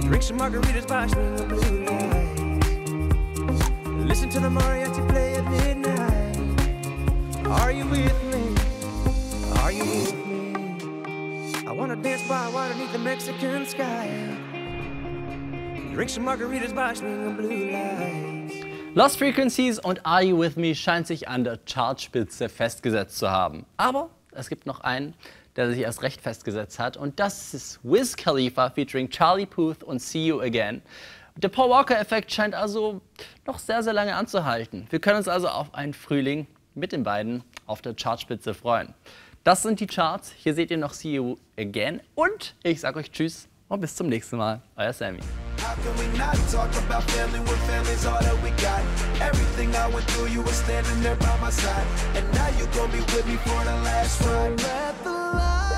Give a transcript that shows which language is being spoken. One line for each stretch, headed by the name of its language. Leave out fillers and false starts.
English: Margaritas by the blue lights. Listen to the mariachi play at midnight. Are you with me? Are you with me? I wanna dance by water beneath the Mexican sky. Drink some margaritas by the blue lights.
German: Lost Frequencies und Are You With Me scheint sich an der Chartspitze festgesetzt zu haben. Aber es gibt noch einen, der sich erst recht festgesetzt hat. Und das ist Wiz Khalifa featuring Charlie Puth und See You Again. Der Paul Walker-Effekt scheint also noch sehr, sehr lange anzuhalten. Wir können uns also auf einen Frühling mit den beiden auf der Chartspitze freuen. Das sind die Charts. Hier seht ihr noch See You Again. Und ich sag euch Tschüss und bis zum nächsten Mal. Euer Sammy.
English: How can we not talk about family when family's all that we got? Everything I went through, you were standing there by my side. And now you gon' be with me for the last ride. So let the light